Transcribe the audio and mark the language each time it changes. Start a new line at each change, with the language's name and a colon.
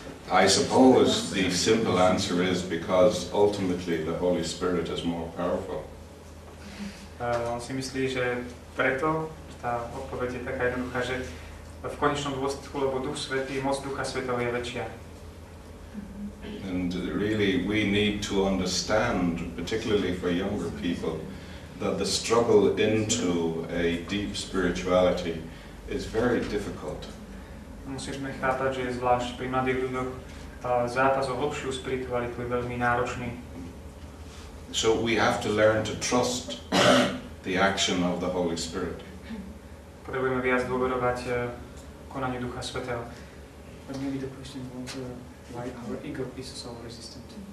English: I suppose the simple answer is because ultimately the Holy Spirit is more powerful.
Slovak: On si myslí, že preto tá odpoveď je taká jednoduchá, že v konečnom dôsledku, lebo Duch Svätý, moc Ducha Svätého je väčšia.
English: And really we need to understand, particularly for younger people, that the struggle into a deep spirituality is very difficult.
Slovak: Musíme chápať, že zvlášť pri mladých ľuďoch zápas o hlbšiu spiritualitu je veľmi náročný.
English: So we have to learn to trust the action of the Holy Spirit.
Slovak: Potrebujeme viac dôverovať konaniu Ducha Svätého.
English: But maybe the question was why our ego is so resistant.